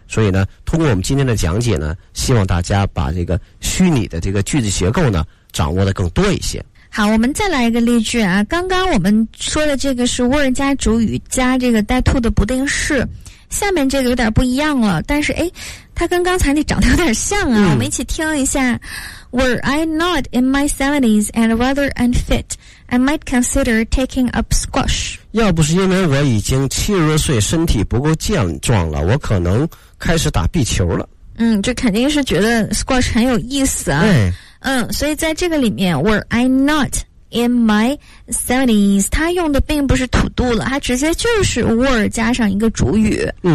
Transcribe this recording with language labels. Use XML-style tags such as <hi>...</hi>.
<zh>所以呢通过我们今天的讲解呢，希望大家把这个虚拟的这个句子结构呢掌握的更多一些。好，我们再来一个例句啊。刚刚我们说的这个是 were 加主语加这个带 to 的不定式，下面这个有点不一样了，但是诶它跟刚才那长得有点像啊，我们一起听一下。</zh> <en>Were I not in my 70s and rather unfit, I might consider taking up squash.</en> <zh>要不是因为我已经70多岁身体不够健壮了，我可能开始打壁球了。这肯定是觉得 squash 很有意思啊。所以在这个里面 ,</zh> <en>were I not in my 70s,</en> <zh>它用的并不是 to do 了，它直接就是 were 加上一个主语。</zh>